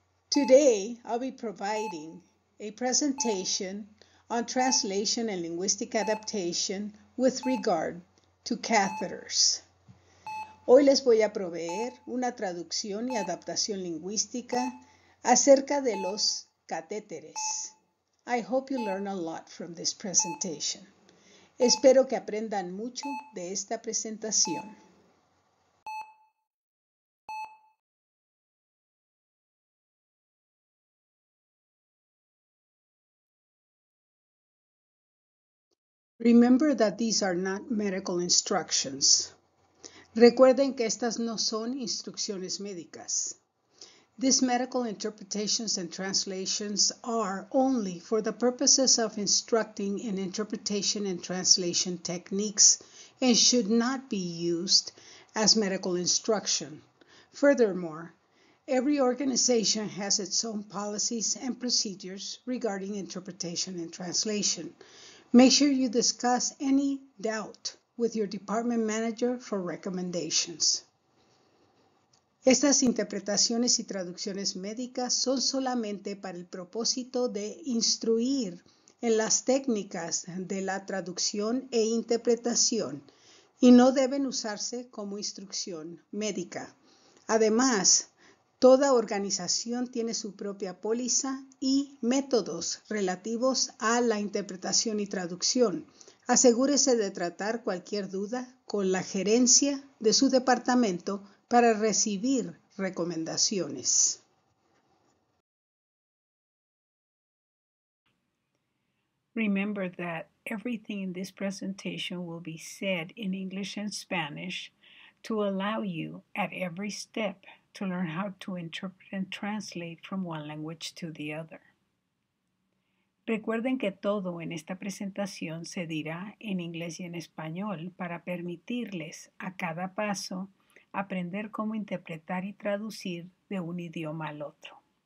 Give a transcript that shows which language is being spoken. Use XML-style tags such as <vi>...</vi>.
<en>Today, I'll be providing a presentation on translation and linguistic adaptation with regard to catheters.</en> <es>Hoy les voy a proveer una traducción y adaptación lingüística acerca de los catéteres.</es> <en>I hope you learn a lot from this presentation.</en> <es>Espero que aprendan mucho de esta presentación.</es> <en>Remember that these are not medical instructions.</en> <es>Recuerden que estas no son instrucciones médicas.</es> <en>These medical interpretations and translations are only for the purposes of instructing in interpretation and translation techniques and should not be used as medical instruction. Furthermore, every organization has its own policies and procedures regarding interpretation and translation. Make sure you discuss any doubt with your department manager for recommendations.</en> <es>Estas interpretaciones y traducciones médicas son solamente para el propósito de instruir en las técnicas de la traducción e interpretación y no deben usarse como instrucción médica. Además, toda organización tiene su propia póliza y métodos relativos a la interpretación y traducción. Asegúrese de tratar cualquier duda con la gerencia de su departamento para recibir recomendaciones.</es> <en>Remember that everything in this presentation will be said in English and Spanish to allow you at every step to learn how to interpret and translate from one language to the other.</en> <es>Recuerden que todo en esta presentación se dirá en inglés y en español para permitirles a cada paso aprender cómo interpretar y traducir de un idioma al otro.</es>